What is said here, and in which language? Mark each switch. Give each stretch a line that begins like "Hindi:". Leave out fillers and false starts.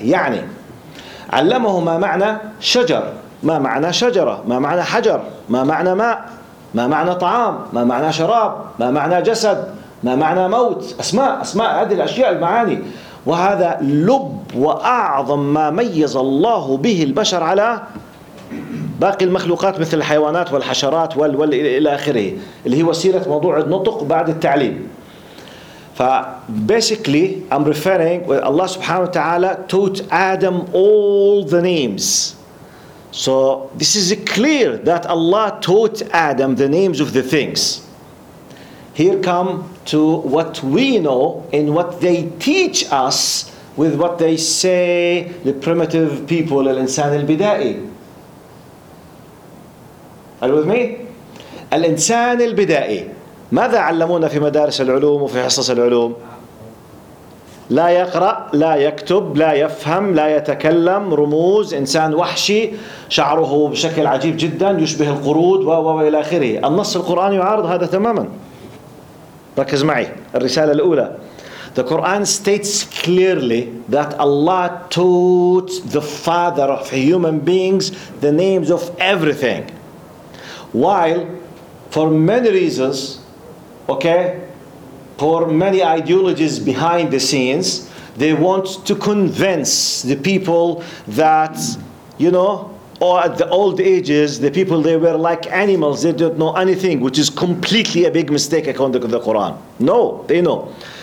Arabic: يعني علمه ما معنى شجر، ما معنى شجرة، ما معنى حجر، ما معنى ماء، ما معنى طعام، ما معنى شراب، ما معنى جسد، ما معنى موت. أسماء أسماء هذه الأشياء المعاني، وهذا لب وأعظم ما ميز الله به البشر على باقي المخلوقات مثل الحيوانات والحشرات والإلى آخره، اللي هو سيرة موضوع النطق بعد التعليم.
English: فبسيكلي I'm referring الله سبحانه وتعالى taught Adam all the names. So this is clear that Allah taught Adam the names of the things. Here come to what we know and what they teach us with what they say the primitive people الإنسان البدائي. Are you with me?
Arabic: الإنسان البدائي ماذا علمونا في مدارس العلوم وفي حصص العلوم؟ لا يقرأ، لا يكتب، لا يفهم، لا يتكلم، رموز، إنسان وحشي، شعره بشكل عجيب جدا يشبه القرود وإلى آخره. النص القرآني يعارض هذا تماما. ركز معي، الرسالة الأولى:
English: The Quran states clearly that Allah taught the father of human beings the names of everything. While for many reasons, okay, for many ideologies behind the scenes, they want to convince the people that, you know, or at the old ages, the people, they were like animals, they don't know anything, which is completely a big mistake according to the Quran. No, they know.